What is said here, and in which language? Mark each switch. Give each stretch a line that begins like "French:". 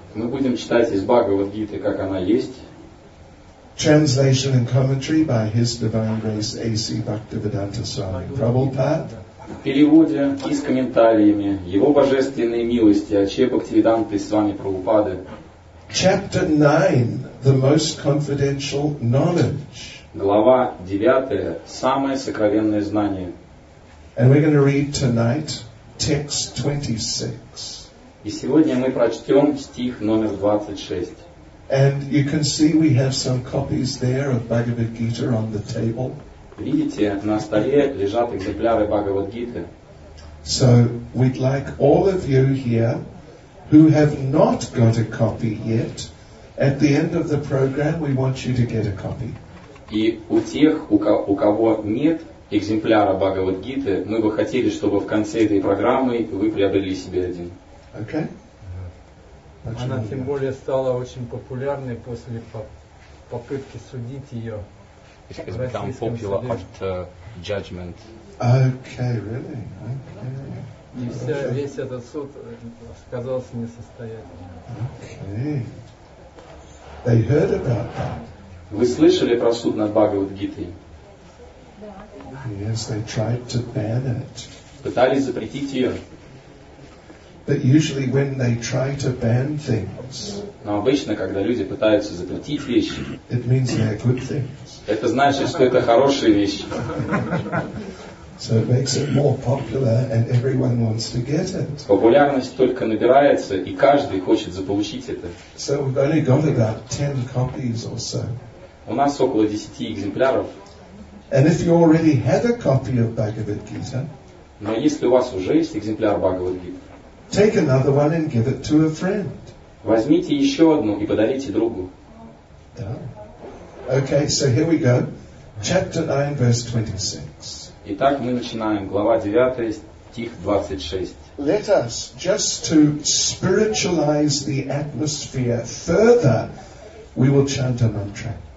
Russian: Мы будем читать из Бхагавад Гиты, как она есть.
English: Translation and commentary by His Divine Grace A.C. Bhaktivedanta Swami Prabhupada.
Russian: В переводе и с комментариями Его Божественной Милости Ачья Бхактивиданты Свами Прабхупады.
English: Chapter 9, the most confidential knowledge.
Russian: Глава 9, самое сокровенное знание.
English: And we're going to read tonight text 26.
Russian: И сегодня мы прочтем стих номер 26.
English: And you can see we have some copies there of Bhagavad Gita on the table.
Russian: Видите, на столе лежат экземпляры Бхагавад Гиты.
English: So we'd like all of you here who have not got a copy yet, at the end of the program we want you to get a copy.
Russian: И у тех, у кого нет экземпляра Бхагавад Гиты, мы бы хотели, чтобы в конце этой программы вы приобрели себе один.
English: Okay.
Russian: Она тем более стала очень популярной после попытки судить ее.
English: It's become popular after judgment. Okay, really? Okay.
Russian: И вся, весь этот суд оказался несостоятельным.
English: Okay. They heard about that.
Russian: Вы слышали про суд над Бхагавад Гитой?
English: Yes, they tried to ban it.
Russian: Пытались запретить ее.
English: But usually when they try to ban things,
Russian: но обычно, когда люди пытаются запретить вещи,
English: it means they are good things.
Russian: Это значит, что это хорошие вещи.
English: So it makes it more popular and everyone wants to get it.
Russian: Популярность только набирается, и каждый хочет заполучить это.
English: So we've only got about 10 copies or so.
Russian: У нас около 10 экземпляров.
English: And if you already had a copy of Bhagavad Gita,
Russian: Но если у вас уже есть экземпляр Бхагавад-гиты,
English: take another one and give it to a friend.
Russian: Возьмите еще одну и подарите другу. Да.
English: Okay, so here we go. Chapter 9, verse 26.
Russian: Итак, мы начинаем. Глава 9, стих 26.
English: Let us, just to spiritualize the atmosphere further, we will chant a mantra.